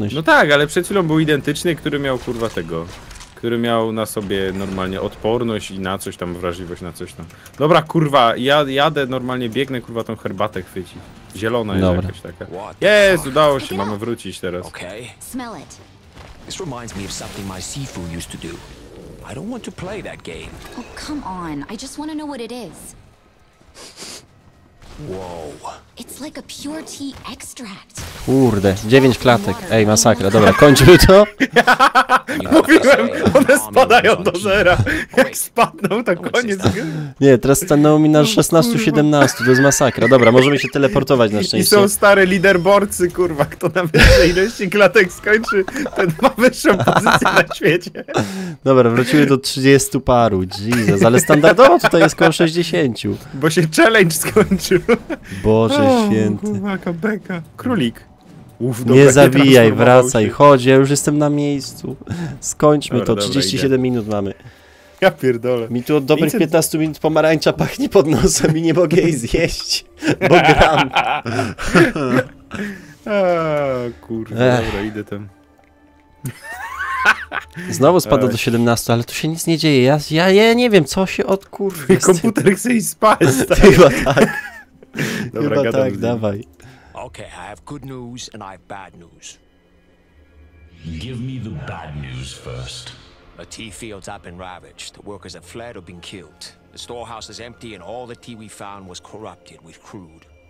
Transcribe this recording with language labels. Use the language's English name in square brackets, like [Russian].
[Polish] No tak, ale przed chwilą był identyczny, który miał kurwa tego, który miał na sobie normalnie odporność i na coś tam, wrażliwość na coś tam. Dobra, kurwa, ja jadę, normalnie biegnę, kurwa, tą herbatę chwyci. Zielona jest. Dobra. Jakaś taka. Jest, udało się, mamy wrócić teraz. [English] Okay. Smell it. This reminds me of something my Sifu used to do. I don't want to play that game. Oh, come on. I just want to know what it is. Whoa. It's like a pure tea extract. [Polish] Kurde, 9 klatek. Ej, masakra, dobra, kończmy to. Mówiłem, one spadają do zera. Jak spadną, to koniec. Nie, teraz stanęło mi na 16-17, to jest masakra. Dobra, możemy się teleportować na szczęście. I są stare leaderboardy, kurwa, kto na większej ilości klatek skończy, ten ma wyższą pozycję na świecie. Dobra, wróciły do 30 paru, Jesus, ale standardowo tutaj jest koło 60. Bo się challenge skończył. Boże święty. Kurwa, beka. Królik. Uf, nie zabijaj, wracaj, chodź, ja już jestem na miejscu. Skończmy dobra, to, 37 dobra, minut mamy. Ja pierdolę. Mi tu od dobrych 15 minut pomarańcza pachnie pod nosem i nie mogę jej zjeść, bo gram. Kurwa, dobra, idę tam. Znowu spada do 17, ale tu się nic nie dzieje. Ja nie wiem, co się od kurwa. Komputer chce iść spać. Chyba tak. Dobra, chyba gadam tak, dawaj. [English] Okay, I have good news and I have bad news. Give me the bad news first. A tea field's have been ravaged. The workers have fled or been killed. The storehouse is empty and all the tea we found was corrupted with crude.